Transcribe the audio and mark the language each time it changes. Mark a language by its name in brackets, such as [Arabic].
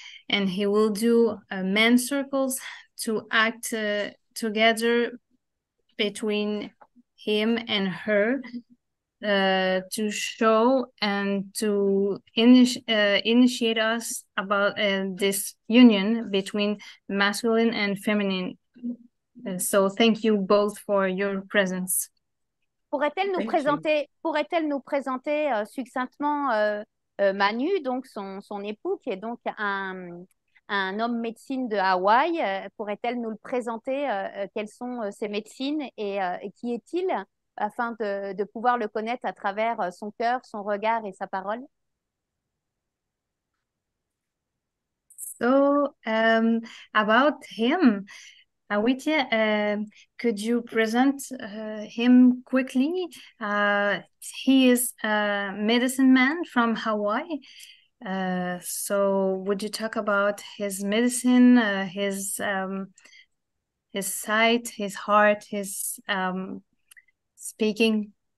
[English] And he will do men's circles to act together between him and her, to show and to initiate us about this union between masculine and feminine. So thank you both for your presence. [French] Pourrait-elle nous présenter succinctement Manu, donc son époux, qui est donc un homme médecine de Hawaï? Pourrait-elle nous le présenter, quelles sont ses médecines et qui est-il, afin de pouvoir le connaître à travers son cœur, son regard et sa parole? [English] So, about him, Awhitia, could you present him quickly? He is a medicine man from Hawaii. So would you talk about his medicine, his sight, his heart, his speaking?